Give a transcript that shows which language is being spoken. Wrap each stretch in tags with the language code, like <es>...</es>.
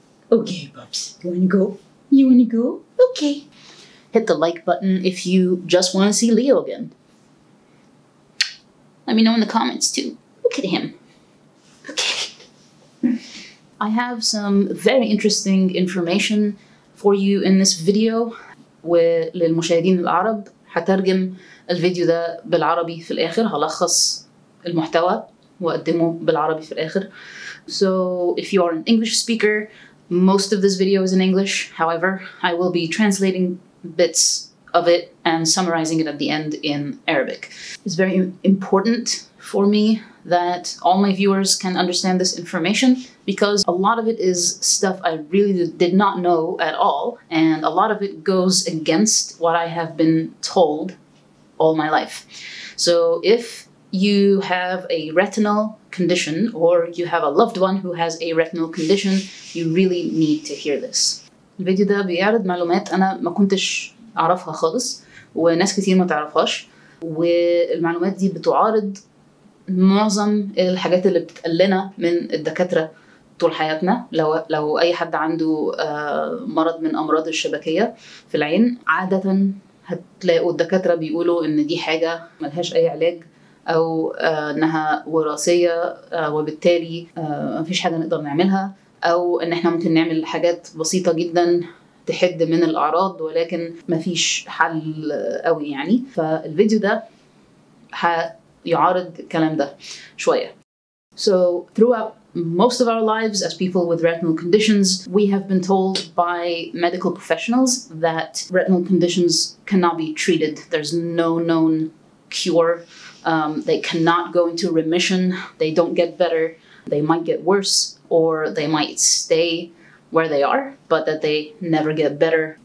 <en>Okay, Bubs, you wanna go? Okay. Hit the like button if you just wanna see Leo again. Let me know in the comments, too. Look at him. I have some very interesting information for you in this video.</en> <ar>وللمشاهدين العرب هترجم الفيديو ده بالعربي في الآخر. هلخص المحتوى وأقدمه بالعربي في الآخر.</ar> <en>So if you are an English speaker, most of this video is in English. However, I will be translating bits of it and summarizing it at the end in Arabic. It's very important for me that all my viewers can understand this information because a lot of it is stuff I really did not know at all, and a lot of it goes against what I have been told all my life. So if you have a retinal condition or you have a loved one who has a retinal condition, you really need to hear this.</en> <ar>الفيديو ده بيعرض معلومات أنا ما كنتش أعرفها خالص وناس كتير ما تعرفهاش والمعلومات دي بتعارض معظم الحاجات اللي بتتقال لنا من الدكاترة طول حياتنا لو أي حد عنده مرض من أمراض الشبكية في العين عادة هتلاقوا الدكاترة بيقولوا إن دي حاجة ملهاش أي علاج أو إنها وراثية وبالتالي مفيش حاجة نقدر نعملها أو إن إحنا ممكن نعمل حاجات بسيطة جداً تحد من الأعراض ولكن مفيش حل قوي يعني فالفيديو ده يعارض الكلام ده شوية.</ar> <en>So throughout most of our lives as people with retinal conditions, we have been told by medical professionals that retinal conditions cannot be treated. There's no known cure. They cannot go into remission. They don't get better. They might get worse or they might stay where they are, but that they never get better.</en>